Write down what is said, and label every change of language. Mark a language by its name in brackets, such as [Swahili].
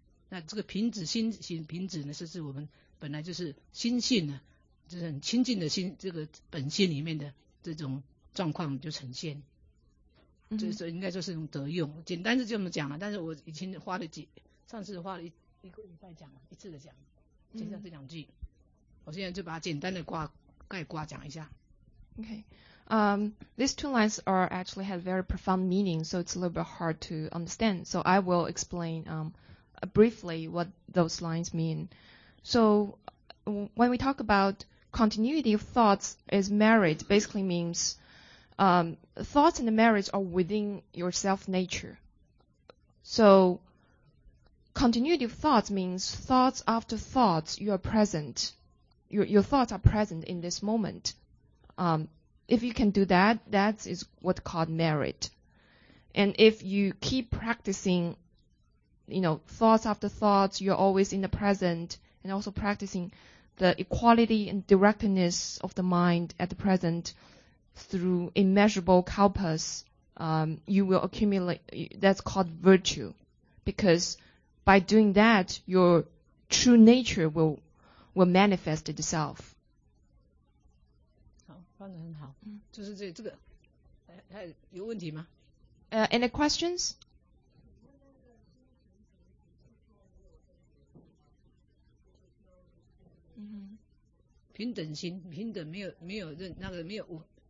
[Chinese] 那这个平止心行平止呢，是我们本来就是心性呢，就是很清净的心，这个本心里面的这种状况就呈现。嗯、就是应该说是用德用，简单是这么讲了、啊。但是我已经花了上次花了一个礼拜讲了一次的讲，就像这两句、嗯，我现在就把简单的概括讲一下。 [English] Okay, these two lines are actually have very profound meaning, so it's a little bit hard to understand. So I will explain briefly what those lines mean. So when we talk about continuity of thoughts is merit, basically means thoughts and merits are within your self nature. So continuity of thoughts means thoughts after thoughts, you are present. Your thoughts are present in this moment. If you can do that, that is what's called merit. And if you keep practicing, you know, thoughts after thoughts, you're always in the present, and also practicing the equality and directness of the mind at the present through immeasurable kalpas, you will accumulate, that's called virtue. Because by doing that, your true nature will manifest itself. [Chinese] 翻得很好，就是这个，还有问题吗？ [English] Any questions? Mm-hmm. [Chinese] 平等心，平等没有任那个没有我。